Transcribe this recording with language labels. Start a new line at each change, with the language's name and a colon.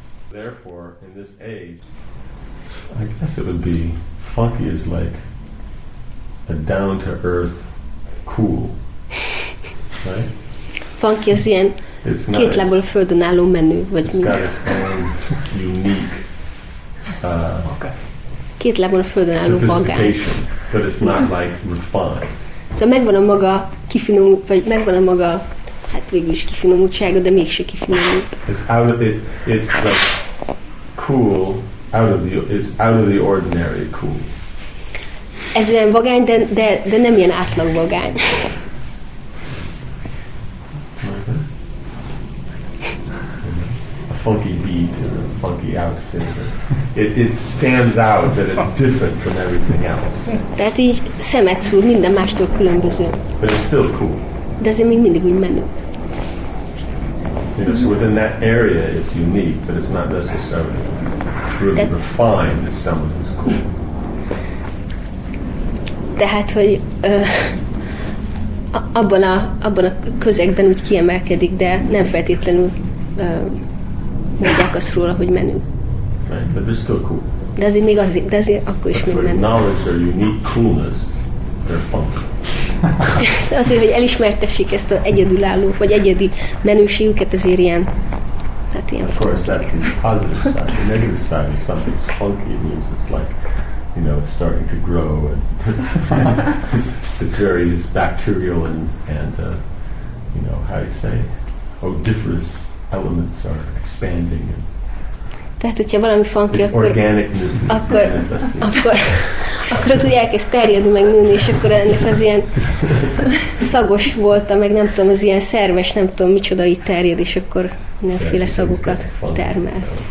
English: Therefore, in this age, I guess it would be funky is like a down-to-earth cool, right?
Hungarian: Funky is ilyen két lábbal földön álló menő, vagy
English: mi? It's got its own unique
Hungarian: két lábbal a földön álló
English: vagány. But it's not like refined.
Hungarian: So megvan a maga kifinomult, vagy megvan a maga, hát végül is kifinomultsága, de mégse kifinomult.
English: It's like cool, it's out of the ordinary cool.
Hungarian: Ez olyan vagány, de nem ilyen átlag vagány.
English: A funky beat and a funky outfit. It stands out that it's different from everything else.
Hungarian: Tehát így szemet szúr, minden mástól különböző.
English: But it's still cool.
Hungarian: De ez még mindig úgy menő.
English: So within that area it's unique, but it's not necessarily really refined as someone who's cool.
Hungarian: Tehát, hogy abban a közegben úgy kiemelkedik, de nem feltétlenül mondják azt róla, hogy menő.
English: Right, but they're still cool.
Hungarian: De azért még azért, de azért akkor is még menő.
English: Knowledge or unique coolness, they're funk.
Hungarian: Azért, hogy elismertessék ezt az egyedülálló, vagy egyedi menőségüket, azért ilyen, hát ilyen
English: funk. Of course, that's the positive side. The negative side is something's funky. It means it's like, you know, it's starting to grow and it's very bacterial and you know, how do you say, odiferous elements are expanding and
Hungarian: Tehát, hogyha valami funky, akkor az úgy elkezd terjedni, meg nőni, és akkor ennek az ilyen szagos volt, meg nem tudom, az ilyen szerves, nem tudom, micsoda így terjed, és akkor mindenféle szagokat termel.